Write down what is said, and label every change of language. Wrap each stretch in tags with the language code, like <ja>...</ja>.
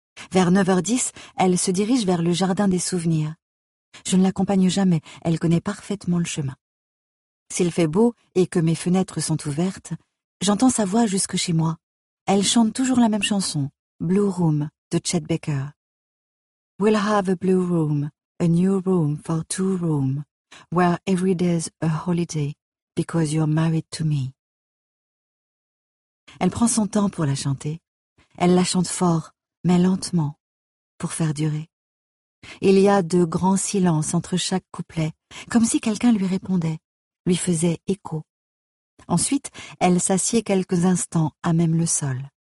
<fr>Vers 9h10, elle se dirige vers le jardin des souvenirs. Je ne l'accompagne jamais, elle connaît parfaitement le chemin. S'il fait beau et que mes fenêtres sont ouvertes, j'entends sa voix jusque chez moi. Elle chante toujours la même chanson, Blue Room, de Chet Baker.</fr> <en>We'll have a blue room, a new room for two rooms, where every day's a holiday, because you're married to me.</en> <fr>Elle prend son temps pour la chanter. Elle la chante fort, mais lentement, pour faire durer. Il y a de grands silences entre chaque couplet, comme si quelqu'un lui répondait, lui faisait écho. Ensuite, elle s'assied quelques instants à même le sol.</fr>